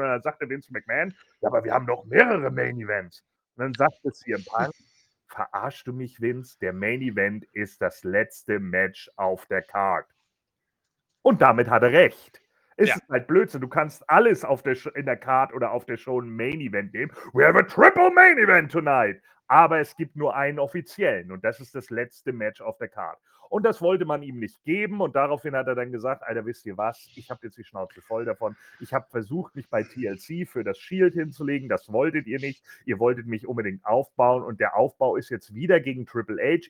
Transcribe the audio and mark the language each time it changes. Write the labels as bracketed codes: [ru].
[de] Und dann sagte Vince McMahon, ja, aber wir haben noch mehrere Main Events. Und dann sagte CM Punk, verarschst du mich, Vince? Der Main Event ist das letzte Match auf der Card. Und damit hat er recht. Es ist halt Blödsinn. Du kannst alles in der Card oder auf der Show ein Main Event nehmen. [en] We have a triple Main Event tonight. [de] Aber es gibt nur einen offiziellen. Und das ist das letzte Match auf der Card. Und das wollte man ihm nicht geben. Und daraufhin hat er dann gesagt, Alter, wisst ihr was? Ich habe jetzt die Schnauze voll davon. Ich habe versucht, mich bei TLC für das Shield hinzulegen. Das wolltet ihr nicht. Ihr wolltet mich unbedingt aufbauen. Und der Aufbau ist jetzt wieder gegen Triple H.